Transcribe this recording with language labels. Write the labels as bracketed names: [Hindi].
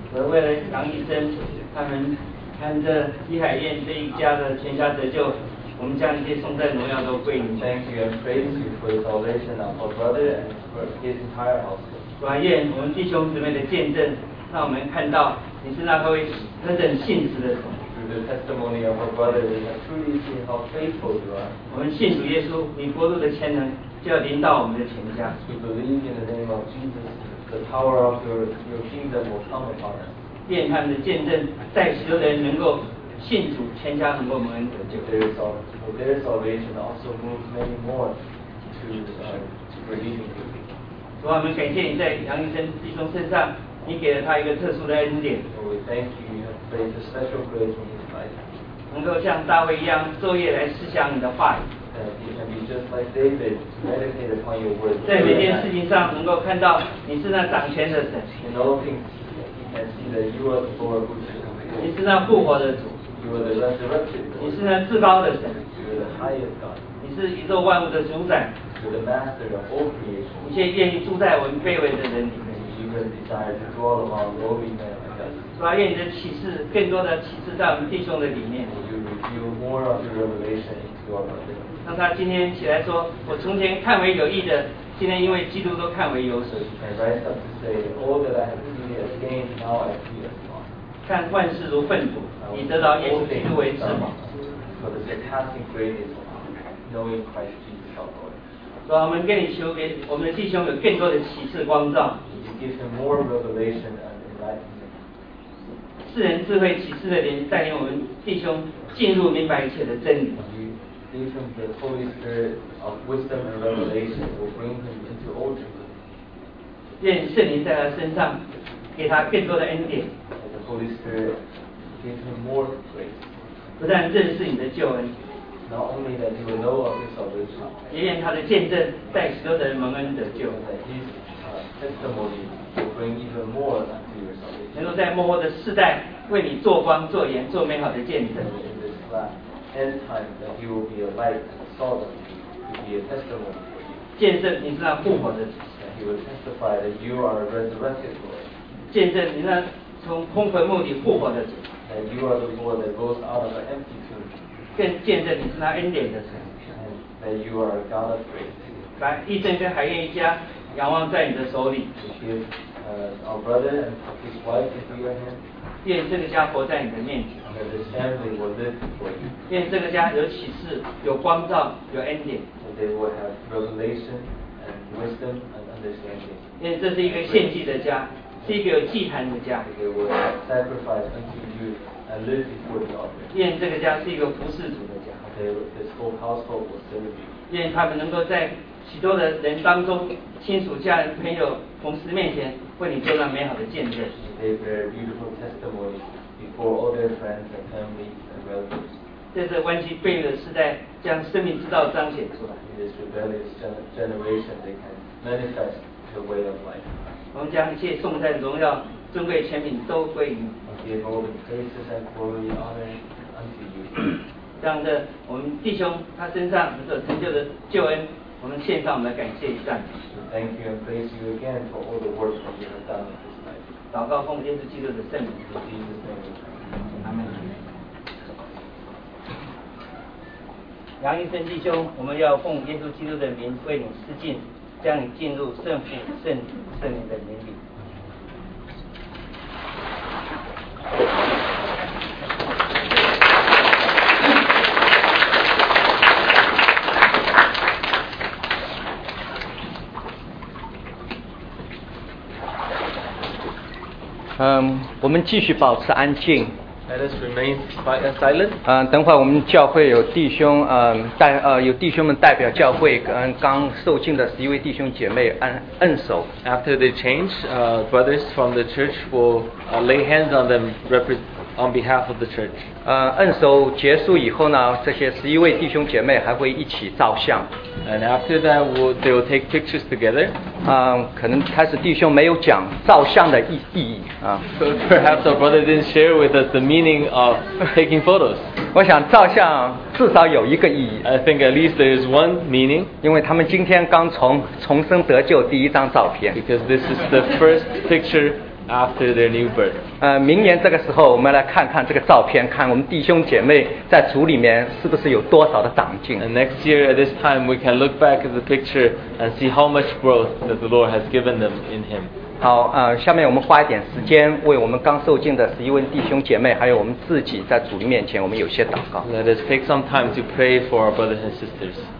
[Chinese] 而为了杨义生，他们看着李海燕这一家的全家得救。我们将一切颂赞荣耀都归你。 [English] Thank you and praise you for the salvation of our brother and for his entire household. [Chinese] 感谢我们弟兄姊妹的见证，让我们看到你是那位何等信实的神。 [English] Through the testimony of our brother, we have truly seen how faithful you are. [Chinese] 我们信主耶稣，你国度的潜能就要临到我们的全家。 [English] We believe in the name of Jesus, the power of your kingdom will come upon us. [Chinese] 愿他们的见证在许多人能够。信主全家能够蒙恩得救。 [English] Their salvation also moves many more to believing you. [Chinese] 主啊，我们感谢你在杨医生弟兄身上，你给了他一个特殊的恩典。 [English] Lord, we thank you, you have placed a special grace on his life. [Chinese] 能够像大卫一样昼夜来思想你的话语。 [English] He can be just like David, meditate upon your word. [Chinese] 在每件事情上能够看到你是那掌权的神。 [English] In all things, he can see that you are the Lord who is in control. [Chinese] 你是那复活的主。 [English] You are the resurrected. [Chinese] 你是那至高的神。 [English] You are the highest God. [Chinese] 你是宇宙万物的主宰。 [English] You are the master of all creation. [Chinese] 你却愿意住在我们卑微的人里面。 [English] You even desire to dwell among lowly men. [Chinese] 主啊，愿你的启示更多的启示在我们弟兄的里面。 [English] You you more of your revelation into your body. [Chinese] 让他今天起来说，我从前看为有益的，今天因为基督都看为有损。 [English] And rise up to say, all that I have seen as gain, now I see as loss. [Chinese] 看万事如粪土，你得到耶稣基督为至宝。 [English] For the surpassing greatness of knowing Christ Jesus our Lord. [Chinese] 主啊，我们跟你求，给我们的弟兄有更多的启示光照。 [English] You give them more revelation and enlightenment. [Chinese] 世人智慧启示的灵带领我们弟兄进入明白一切的真理。 [English] You give them the Holy Spirit of wisdom and revelation will bring them into all truth. [Chinese] 愿圣灵在他身上给他更多的恩典。 [English] And the Holy Spirit gives him more grace. [Chinese] 不但认识你的救恩。 [English] Not only that he will know of his salvation. [Chinese] 也愿他的见证带许多的人蒙恩得救。 [English] That his testimony will bring even more. [Chinese] 能够在末后的世代为你做光做盐做美好的见证。 [English] End time that you will be a light and salt to be a testimony. [Chinese] 见证你是那复活的。 [English] And he will testify that you are a resurrected Lord. [Chinese] 见证你那从空坟墓里复活的。 [English] And you are the Lord that rose out of an empty tomb. [Chinese] 更见证你是那恩典的神。 [English] And that you are a God of grace. [Chinese] 来，义正跟海燕一家仰望在你的手里。 [English] Our brother and his wife into your hand. [Chinese] 愿这个家活在你的面前。 [English] That this family will live before you. [Chinese] 愿这个家有启示，有光照，有恩典。 [English] That they will have revelation and wisdom and understanding. [Chinese] 愿这是一个献祭的家，是一个有祭坛的家。 [English] They will sacrifice unto you and live before the altar. [Chinese] 愿这个家是一个服侍主的家。 [English] This whole household will serve you. [Chinese] 愿他们能够在许多的人当中，亲属、家人、朋友、同事面前。为你做那美好的见证。 [English] They bear beautiful testimonies before all their friends and family and relatives. [Chinese] 在这弯曲背逆的时代，将生命之道彰显出来。 [English] In this rebellious generation, they can manifest the way of life. [Chinese] 我们将一切颂赞、荣耀、尊贵、权柄都归于你。 [English] Give all the praises and glory and honor unto you. [Chinese] 让这我们弟兄他身上所成就的救恩。我们献上我们的感谢与赞美。 [English] Thank you and praise you again for all the work that you have done in this life. [Chinese] 祷告奉耶稣基督的圣名。 [English] In Jesus' name. Amen. [Chinese] 杨医生弟兄，我们要奉耶稣基督的名为你施浸，将你进入圣父、圣子、圣灵的灵里。我们继续保持安静。 [English] Let us remain silent. [Chinese] 等会我们教会有弟兄，有弟兄们代表教会，刚受浸的十一位弟兄姐妹按手。 [English] After the change, brothers from the church will lay hands on them on behalf of the church. [Chinese] 按手结束以后呢，这些十一位弟兄姐妹还会一起照相。 [English] And after that, they will take pictures together. [Chinese] 可能开始弟兄没有讲照相的意义啊。 [English] So perhaps our brother didn't share with us the meaning of taking photos. [Chinese] 我想照相至少有一个意义。 [English] I think at least there is one meaning. [Chinese] 因为他们今天刚从重生得救第一张照片。 [English] Because this is the first picture. After their new birth. [Chinese] 明年这个时候，我们来看看这个照片，看我们弟兄姐妹在主里面是不是有多少的长进。 [English] And next year at this time, we can look back at the picture and see how much growth that the Lord has given them in Him. [Chinese] 好，下面我们花一点时间为我们刚受浸的十一位弟兄姐妹，还有我们自己在主面前，我们有些祷告。 [English] Let us take some time to pray for our brothers and sisters.